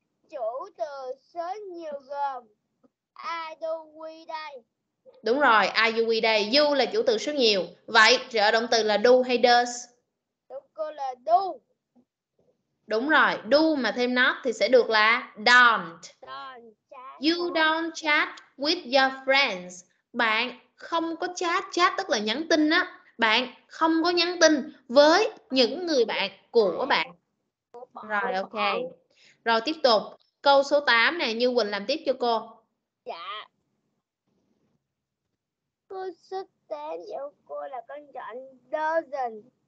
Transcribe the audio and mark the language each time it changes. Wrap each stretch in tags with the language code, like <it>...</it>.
<vi>Chủ từ số nhiều gồm</vi> <en>I do we day.</en> <vi>Đúng rồi,</vi> <en>I do we day.</en> <vi>You là chủ từ số nhiều. Vậy trợ động từ là do hay does? Đúng cô là do. Đúng rồi, do mà thêm not thì sẽ được là don't.</vi> <en>Don't. You don't chat with your friends.</en> <vi>Bạn không có chat. Chat tức là nhắn tin á. Bạn không có nhắn tin với những người bạn của bạn. Rồi, ok. Rồi tiếp tục, câu số 8 này Như Quỳnh làm tiếp cho cô. Dạ. Câu số 8 của cô là con chọn doesn't.</vi>